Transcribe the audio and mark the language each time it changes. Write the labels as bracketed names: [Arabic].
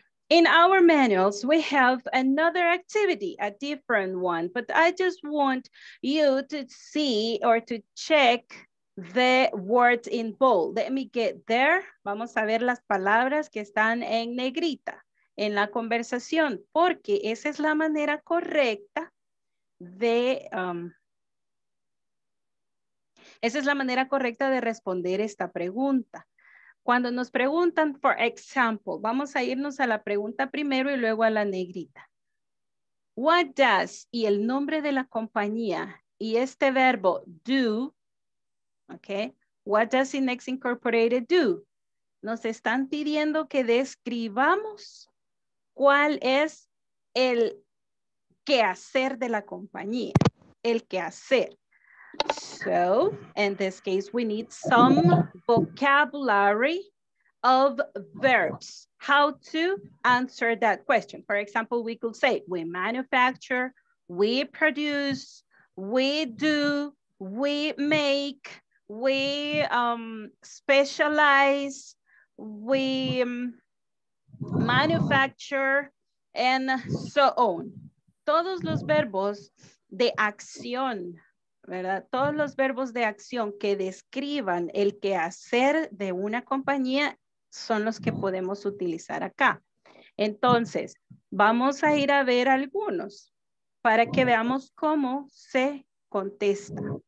[English] In our manuals, we have another activity, a different one, but I just want you to see or to check the words in bold. Let me get there. [Spanish] Vamos a ver las palabras que están en negrita en la conversación, porque esa es la manera correcta de esa es la manera correcta de responder esta pregunta. Cuando nos preguntan, [English] for example, [Spanish] vamos a irnos a la pregunta primero y luego a la negrita. [English] What does, [Spanish] y el nombre de la compañía y este verbo do. [English] Okay, what does Inex Incorporated do? [Spanish] Nos están pidiendo que describamos cuál es el quehacer de la compañía, el quehacer. [English] So, in this case, we need some vocabulary of verbs. How to answer that question? For example, we could say, we manufacture, we produce, we do, we make, we specialize, we manufacture, and so on. [Spanish] Todos los verbos de acción, ¿verdad? Todos los verbos de acción que describan el quehacer de una compañía son los que podemos utilizar acá. Entonces, vamos a ir a ver algunos para que veamos cómo se contesta.